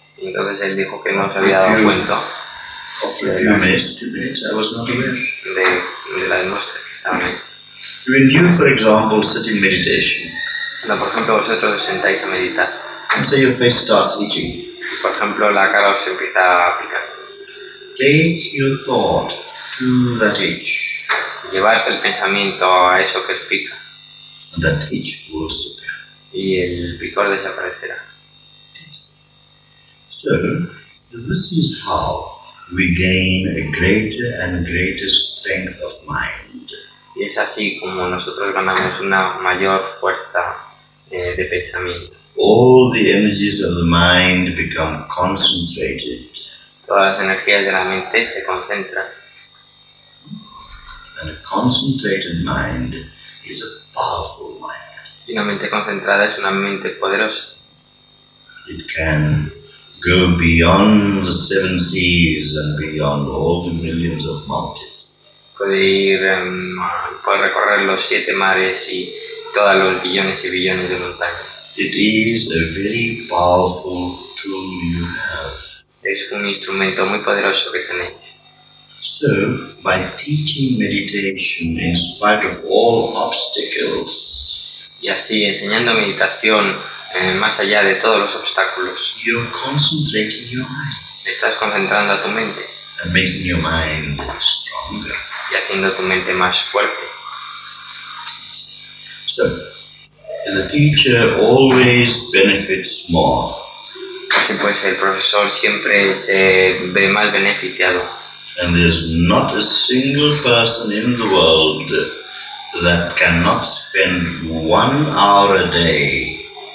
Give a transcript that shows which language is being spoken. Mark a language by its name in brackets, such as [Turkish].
[Spanish] Y entonces él dijo que no se había dado cuenta. [English] After a few minutes, 2 minutes, I was not aware. [Spanish] De las muestras también. [English] When you, for example, sit in meditation. [Spanish] Cuando, por ejemplo, vosotros os sentáis a meditar. [English] And say your face starts itching. [Spanish] Por ejemplo, la cara os empieza a picar. [English] Take your thought to that itch. [Spanish] Llevar el pensamiento a eso que pica. [English] And that itch will disappear. [Spanish] Y el picor desaparecerá. [English] Yes. So, this is how we gain a greater and greater strength of mind. [Spanish] Y es así como nosotros ganamos una mayor fuerza de pensamiento. [English] All the energies of the mind become concentrated. [Spanish] Todas las energías de la mente se concentran. [English] And a concentrated mind is a powerful mind. [Spanish] Y una mente concentrada es una mente poderosa. [English] It can go beyond the seven seas and beyond all the millions of mountains. [Spanish] Puede ir, puede recorrer los siete mares y todos los billones y billones de montañas. [English] It is a very powerful tool you have. [Spanish] Es un instrumento muy poderoso que tenéis. [English] So, by teaching meditation in spite of all obstacles, [Spanish] y así enseñando meditación más allá de todos los obstáculos, [English] you're concentrating your mind. [Spanish] Estás concentrando a tu mente. [English] And making your mind stronger. [Spanish] Y haciendo tu mente más fuerte. [English] So, the teacher always benefits more. [Spanish] Así pues, el profesor siempre se ve más beneficiado. [English] And there's not a single person in the world that cannot spend 1 hour a day.